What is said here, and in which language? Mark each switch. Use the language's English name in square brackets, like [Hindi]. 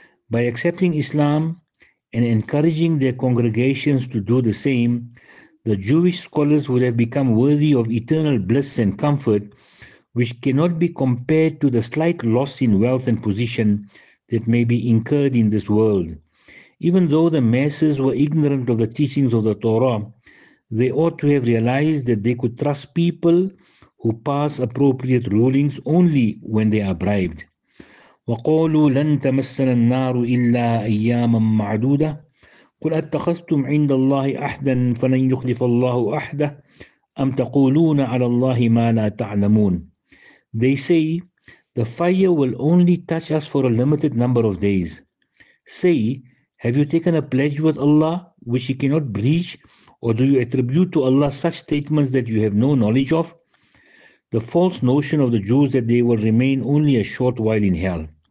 [English] By accepting Islam and encouraging their congregations to do the same, the Jewish scholars would have become worthy of eternal bliss and comfort, which cannot be compared to the slight loss in wealth and position that may be incurred in this world. Even though the masses were ignorant of the teachings of the Torah, they ought to have realized that they could trust people who pass appropriate rulings only when they are bribed. [Arabic] وَقَالُوا لَن تَمَسَّنَ النَّارُ إِلَّا أَيَّامًا مَعْدُودَةً قل أتخذتم عند الله أحدا فلن يخلف الله أحده أم تقولون على الله ما لا تعلمون. [English] They say, the fire will only touch us for a limited number of days. Say, have you taken a pledge with Allah which he cannot breach, or do you attribute to Allah such statements that you have no knowledge of? The false notion of the Jews that they will remain only a short while in hell.